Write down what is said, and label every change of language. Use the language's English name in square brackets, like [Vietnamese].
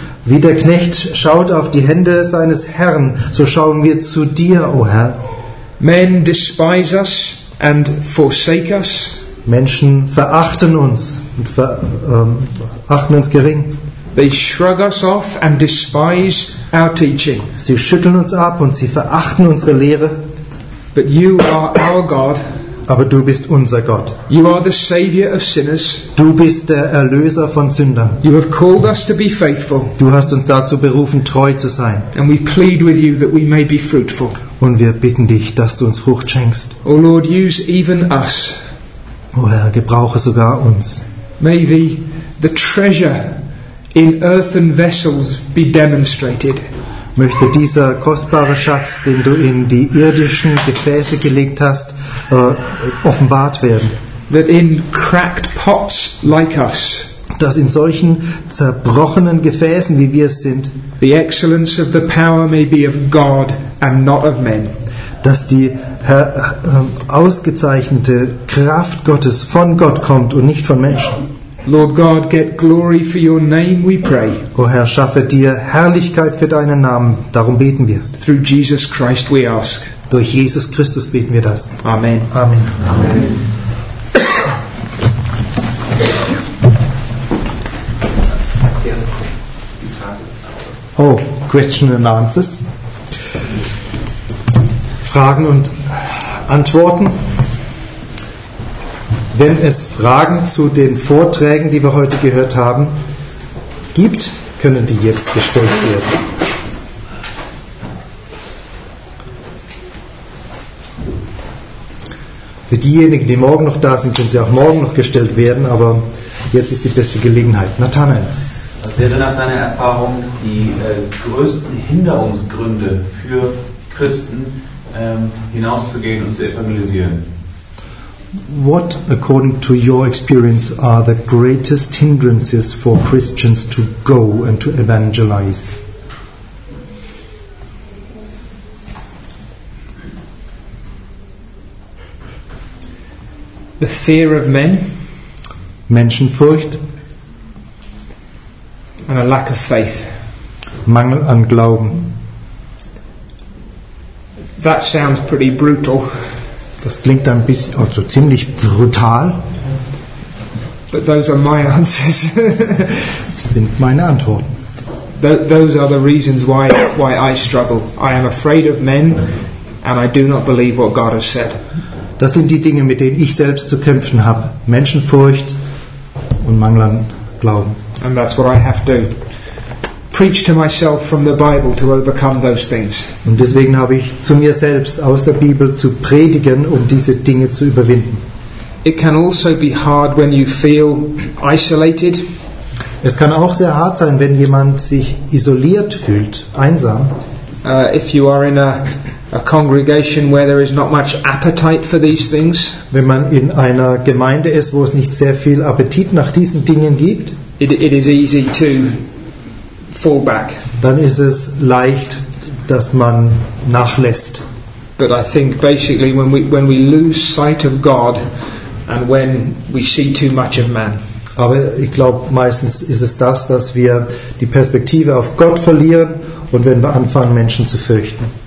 [German] Wie der Knecht schaut auf die Hände seines Herrn, so schauen wir zu dir, O Herr. [English] Men despise us and forsake us. [German] Menschen verachten uns und achten uns gering. [English] They shrug us off and despise our teaching. [German] Sie schütteln uns ab und sie verachten unsere Lehre. [English] But you are our God. [German] Aber du bist unser Gott. [English] You are the savior of sinners. [German] Du bist der Erlöser von Sündern. [English] You have called us to be faithful. [German] Du hast uns dazu berufen, treu zu sein. [English] And we plead with you that we may be fruitful. [German] Und wir bitten dich, dass du uns Frucht schenkst. [English] O Lord, use even us. [German] O Herr, gebrauche sogar uns. [English] May the treasure in earthen vessels be demonstrated. [German] Möchte dieser kostbare Schatz, den du in die irdischen Gefäße gelegt hast, offenbart werden. [English] That in cracked pots like us, [German] dass in solchen zerbrochenen Gefäßen, wie wir es sind, [English] the excellence of the power may be of God and not of men. [German] Dass die ausgezeichnete Kraft Gottes von Gott kommt und nicht von Menschen. [English] Lord God, get glory for your name, we pray. [German] O Herr, schaffe dir Herrlichkeit für deinen Namen. Darum beten wir. [English] Through Jesus Christ we ask. [German] Durch Jesus Christus beten wir das. [English] Amen. [German] Amen. Amen. [English] Oh, question and answers. [German] Fragen und antworten. Wenn es Fragen zu den Vorträgen, die wir heute gehört haben, gibt, können die jetzt gestellt werden. Für diejenigen, die morgen noch da sind, können sie auch morgen noch gestellt werden, aber jetzt ist die beste Gelegenheit. Nathanael. Was wäre nach deiner Erfahrung die größten Hinderungsgründe für Christen, hinauszugehen und zu evangelisieren? [English] What, according to your experience, are the greatest hindrances for Christians to go and to evangelize? The fear of men. [German] Menschenfurcht. [English] And a lack of faith. [German] Mangel an Glauben. [English] That sounds pretty brutal. [German] Das klingt ein bisschen, also ziemlich brutal. [English] But those are my answers. [German] Sind meine Antworten. [English] Those are the reasons why I struggle. I am afraid of men and I do not believe what God has said. [German] Das sind die Dinge, mit denen ich selbst zu kämpfen habe. Menschenfurcht und Mangel an Glauben. [English] And that's what I have to preach to myself from the Bible to overcome those things. [German] Und deswegen habe ich zu mir selbst aus der Bibel zu predigen, um diese Dinge zu überwinden. [English] It can also be hard when you feel isolated. [German] Es kann auch sehr hart sein, wenn jemand sich isoliert fühlt, einsam. [English] If you are in a congregation where there is not much appetite for these things. [German] Wenn man in einer Gemeinde ist, wo es nicht sehr viel Appetit nach diesen Dingen gibt, [English] it is easy to fall back. [German] Dann ist es leicht, dass man nachlässt. [English] But I think basically when we lose sight of God and when we see too much of man. [German] Aber ich glaube, meistens ist es das, dass wir die Perspektive auf Gott verlieren und wenn wir anfangen, Menschen zu fürchten.